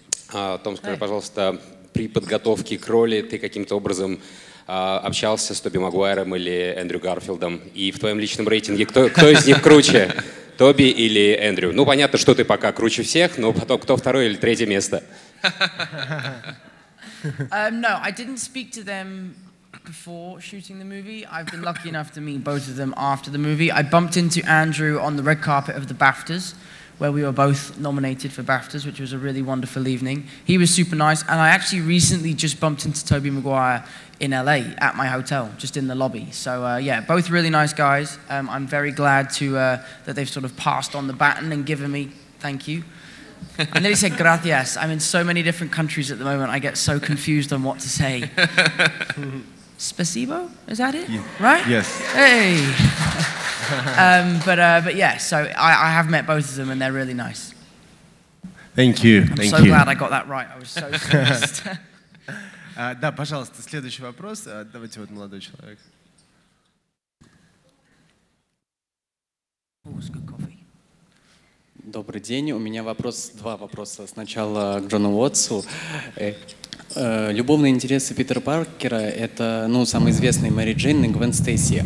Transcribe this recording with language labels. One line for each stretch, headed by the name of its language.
Russian: Том, скажи, пожалуйста, при подготовке к роли ты каким-то образом общался с Тоби Магуайром или Эндрю Гарфилдом? И в твоем личном рейтинге кто из них круче, Тоби или Эндрю? Ну, понятно, что ты пока круче всех, но потом кто второе или третье место?
English: No, I didn't speak to them before shooting the movie. I've been lucky enough to meet both of them after the movie. I bumped into Andrew on the red carpet of the BAFTAs, where we were both nominated for BAFTAs, which was a really wonderful evening. He was super nice, and I actually recently just bumped into Tobey Maguire in LA at my hotel, just in the lobby. So yeah, both really nice guys. I'm very glad that they've sort of passed on the baton and given me, thank you, And then he said, gracias. I'm in so many different countries at the moment, I get so confused on what to say.
Russian: Спасибо?
English: Is that it? Yeah. Right? Yes. Hey. but yeah, so I have met both of them and they're really nice. Thank you. I'm so glad I got that right. I was so surprised.
Russian: Да, пожалуйста, следующий вопрос. Давайте вот молодой человек. Добрый день. У меня вопрос, два вопроса. Сначала к Джону Уотсу. Любовные интересы Питера Паркера — это, ну, самые известные Мэри Джейн и Гвен Стейси.